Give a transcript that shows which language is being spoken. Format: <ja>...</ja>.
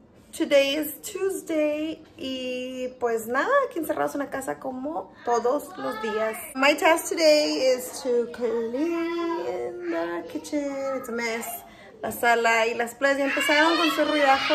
<en>Today is Tuesday,</en> <es>y pues nada, aquí encerrados en una casa como todos los días.</es> <en>My task today is to clean the kitchen. It's a mess.</en> <es>La sala y las playas ya empezaron con su ruidajo.</es>